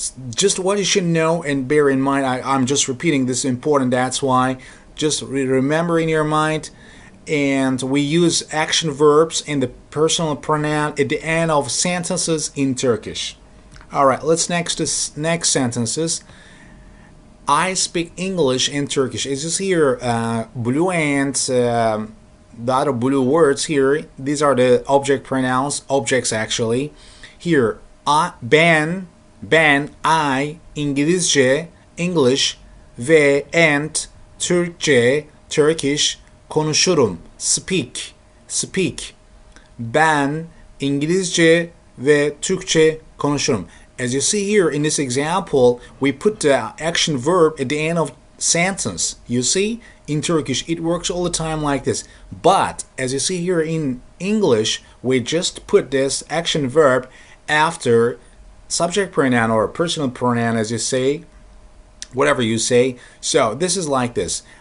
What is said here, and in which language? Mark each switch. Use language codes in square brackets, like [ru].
[en] Just what you should know and bear in mind, I'm just repeating this important, that's why, just remember in your mind, and we use action verbs and the personal pronoun at the end of sentences in Turkish. Alright, let's next sentences. I speak English and Turkish. As you see here, blue and the other blue words here, these are the object pronouns, objects actually. Here, ben, I, İngilizce, English, ve, and, Türkçe, Turkish, konuşurum, speak. [tr] Ben, İngilizce, ve, Türkçe, konuşurum. [en] As you see here in this example, we put the action verb at the end of sentence. You see, in Turkish, it works all the time like this. But as you see here in English, we just put this action verb after subject pronoun or personal pronoun, as you say, whatever you say. So this is like this.